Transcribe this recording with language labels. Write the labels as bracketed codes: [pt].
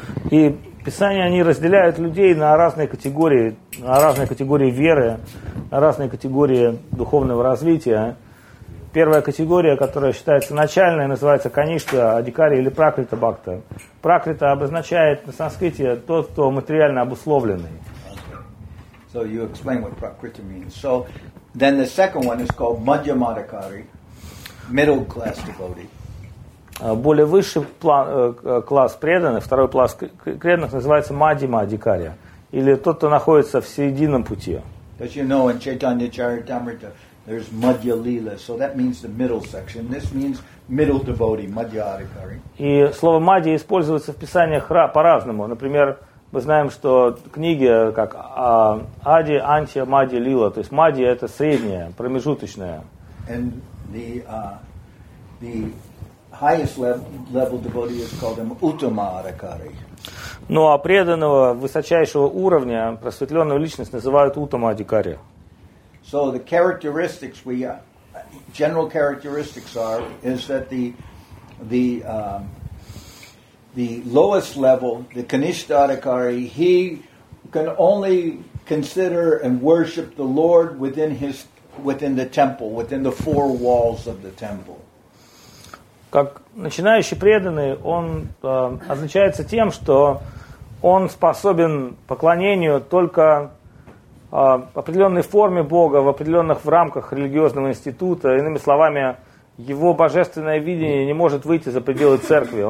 [ru] И Писание, они разделяют людей на разные категории веры, на разные категории духовного развития. Первая категория, которая считается начальной, называется Каништа, Адикари или Пракрита Бхакта. Пракрита обозначает на санскрите тот, кто материально обусловленный. [en] Okay. So you explain what Prakriti means. So then the second one is called Madhyamadikari, middle class devotee. [ru] Более высший план, класс преданных, второй класс преданных называется Мадхима-Адикари, или тот, кто находится в серединном пути. [en] As you know, in Chaitanya Charitamrita, there's Madhya Lila, so that means the middle section. This means middle devotee, Madhya Adhikari. [ru] И слово Мадья используется в писаниях по-разному. Например, мы знаем, что книги как Ади, Антия, Мадья Лила, то есть Мадья это среднее, промежуточное. [en] And the highest level devotee is called him Uttama Adhikari. [ru] Ну а преданного высочайшего уровня, просветленную личность называют Uttama Adhikari. [en] So the characteristics we general characteristics are is that the lowest level, the Kanishtha Adhikari, he can only consider and worship the Lord within his within the temple, within the four walls of the temple. [ru] Как начинающий преданный, он отличается тем, что он способен поклонению только в определенной форме Бога, в определенных рамках религиозного института. Иными словами, его божественное видение не может выйти за пределы церкви.